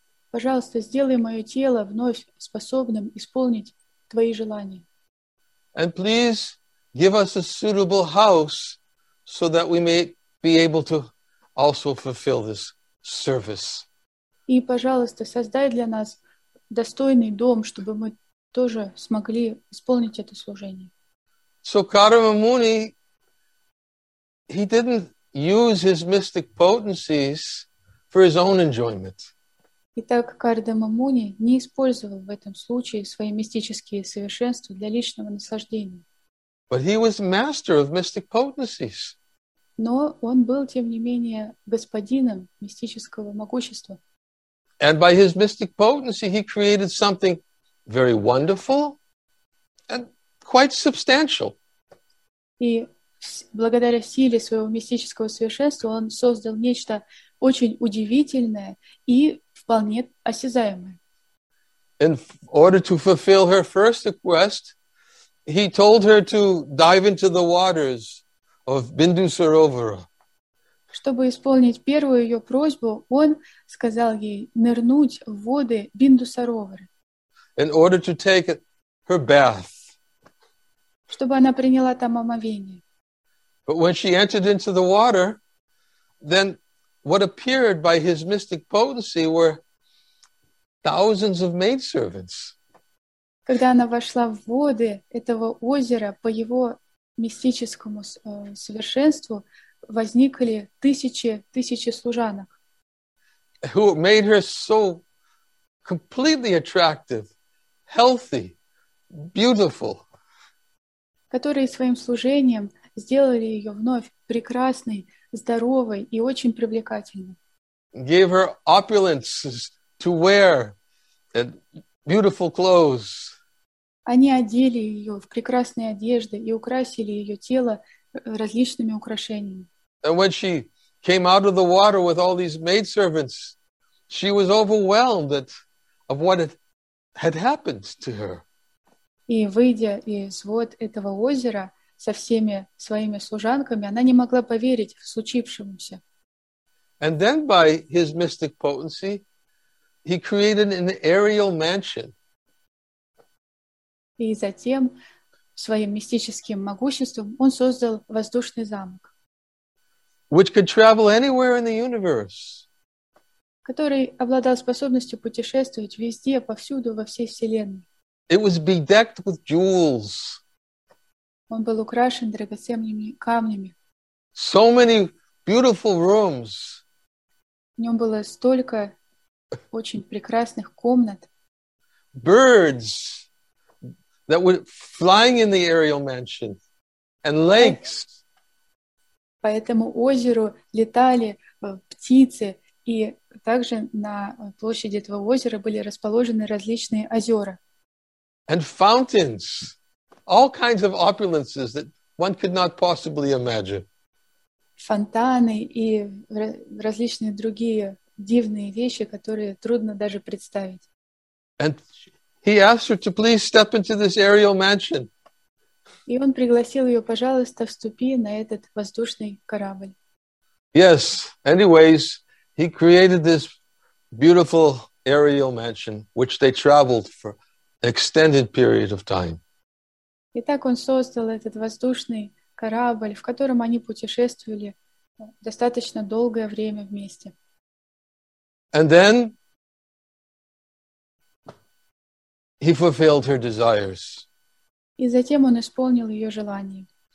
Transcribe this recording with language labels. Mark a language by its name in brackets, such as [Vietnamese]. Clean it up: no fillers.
[Russian] Пожалуйста, сделай мое тело вновь способным исполнить твои желания. [English] And please give us a suitable house so that we may be able to also fulfill this service. [Russian] И, пожалуйста, создай для нас достойный дом, чтобы мы тоже смогли исполнить это служение. [English] So Kārava Muni, he didn't use his mystic potencies for his own enjoyment. [Russian] Итак, Кардама Муни не использовал в этом случае свои мистические совершенства для личного наслаждения. [English] But he was master of mystic potencies. [Russian] Но он был, тем не менее, господином мистического могущества. [English] And by his mystic potency, he created something very wonderful and quite substantial. [Russian] И благодаря силе своего мистического совершенства он создал нечто очень удивительное и вполне осязаемое. [English] In order to fulfill her first request, he told her to dive into the waters of Bindu Sarovara. [Russian] Чтобы исполнить первую ее просьбу, он сказал ей нырнуть в воды Бинду Сароваре. [English] In order to take her bath. [Russian] Чтобы она приняла там омовение. [English] But when she entered into the water, then what appeared by his mystic potency were thousands of maidservants. [Russian] Когда она вошла в воды этого озера, по его мистическому совершенству возникли тысячи служанок. [English] Who made her so completely attractive, healthy, beautiful. [Russian] Которые своим служением сделали ее вновь прекрасной, здоровой и очень привлекательной. [English] Gave her opulence to wear and beautiful clothes. [Russian] Они одели ее в прекрасные одежды и украсили ее тело различными украшениями. [English] And when she came out of the water with all these maidservants, she was overwhelmed of what had happened to her. [Russian] И выйдя из вод этого озера со всеми своими служанками, она не могла поверить в случившемся. [English] And then by his mystic potency, he created an aerial mansion. [Russian] И затем своим мистическим могуществом он создал воздушный замок. [English] Which could travel anywhere in the universe. [Russian] Который обладал способностью путешествовать везде, повсюду, во всей Вселенной. [English] It was bedecked with jewels. [Russian] Он был украшен драгоценными камнями. [English] So many beautiful rooms. [Russian] В нем было столько очень прекрасных комнат. [English] Birds that were flying in the aerial mansion. And lakes. [Russian] По этому озеру летали птицы, и также на площади этого озера были расположены различные озера. [English] And fountains, all kinds of opulences that one could not possibly imagine. [Russian] Фонтаны и различные другие дивные вещи, которые трудно даже представить. И он пригласил ее, пожалуйста, вступи на этот воздушный корабль. [English] Yes, anyways, he created this beautiful aerial mansion, which they traveled for an extended period of time. [Russian] Итак, он создал этот воздушный корабль, в котором они путешествовали достаточно долгое время вместе. [English] And then he fulfilled her desires. [Russian] И затем он исполнил ее желание.